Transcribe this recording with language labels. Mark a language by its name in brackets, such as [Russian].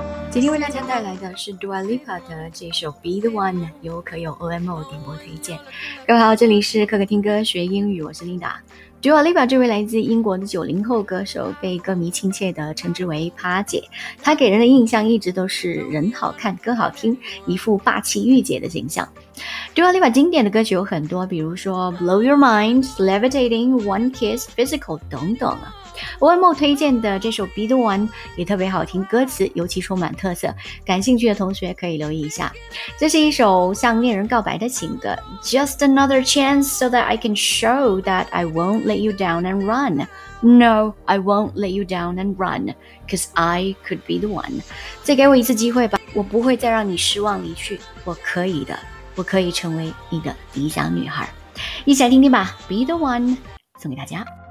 [Chinese] 今天为大家带来的是 Dua Lipa 的这首 Be The One， 由可有 OMO 点播推荐。各位好，这里是可可听歌学英语，我是 Linda。Dua Lipa 这位来自英国的90后歌手被歌迷亲切地称之为趴姐，她给人的印象一直都是人好看歌好听，一副霸气御姐的形象。 Dua Lipa 经典的歌曲有很多，比如说 Blow Your Mind、 Levitating、 One Kiss、 Physical 等等。 OMO 推荐的这首 Be The One 也特别好听，歌词尤其充满特色，感兴趣的同学可以留意一下。这是一首向恋人告白的情歌， [English] Just another chance so that I can show that I won't let you down and run. No, I won't let you down and run, cause I could be the one. [Chinese] 再给我一次机会吧，我不会再让你失望离去，我可以的，我可以成为你的理想女孩。一起来听听吧， Be The One 送给大家。